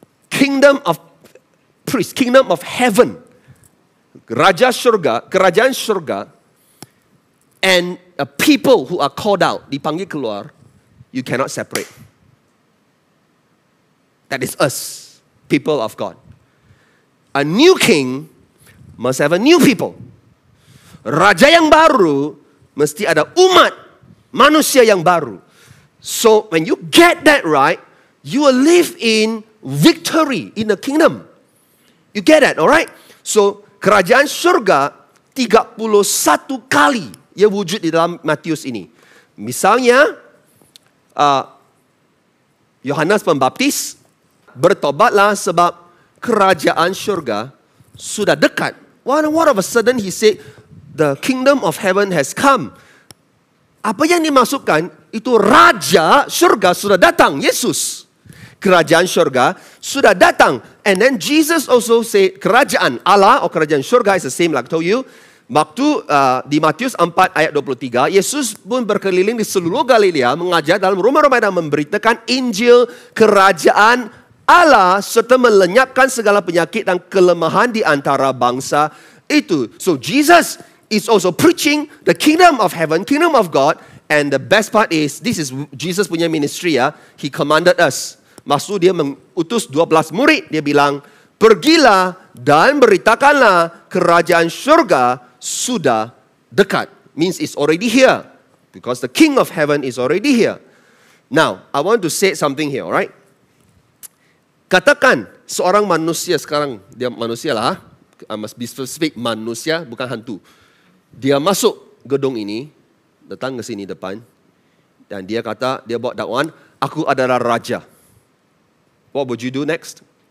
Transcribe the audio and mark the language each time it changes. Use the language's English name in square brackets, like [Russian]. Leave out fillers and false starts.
[English] Kingdom of priest, kingdom of heaven, [Malay] Raja Syurga, Kerajaan Syurga, [English] and a people who are called out, [Malay] dipanggil keluar, [English] you cannot separate. That is us, people of God. A new king must have a new people. [Malay] Raja yang baru mesti ada umat manusia yang baru. [English] So when you get that right, you will live in victory in the kingdom. You get that, alright? [Malay] So Kerajaan Syurga 31 kali ia wujud di dalam Matius ini. Misalnya, Yohanes Pembaptis, bertobatlah sebab Kerajaan Syurga sudah dekat. [English] What of a sudden he said, the kingdom of heaven has come. [Malay] Apa yang dimaksudkan, itu Raja Syurga sudah datang, Yesus. Kerajaan Syurga sudah datang. [English] And then Jesus also said, [Malay] Kerajaan Allah, [English] or [Malay] Kerajaan Syurga, [English] is the same like I told you. [Malay] Waktu di Matius 4 ayat 23, Yesus pun berkeliling di seluruh Galilea, mengajar dalam rumah-rumah dan memberitakan Injil Kerajaan Allah serta melenyapkan segala penyakit dan kelemahan di antara bangsa itu. [English] So Jesus is also preaching the kingdom of heaven, kingdom of God. And the best part is, this is Jesus punya ministry ya. He commanded us. [Malay] Maksud dia mengutus 12 murid. Dia bilang, pergilah dan beritakanlah kerajaan syurga sudah dekat. [English] Means it's already here. Because the king of heaven is already here. Now, I want to say something here, alright? [Malay] Katakan seorang manusia sekarang, dia manusia lah. [English] I must be specific, [Malay] manusia bukan hantu. Dia masuk gedung ini, datang ke sini depan. Dan dia kata, dia buat dakwaan, aku adalah raja. [English] What would you do next?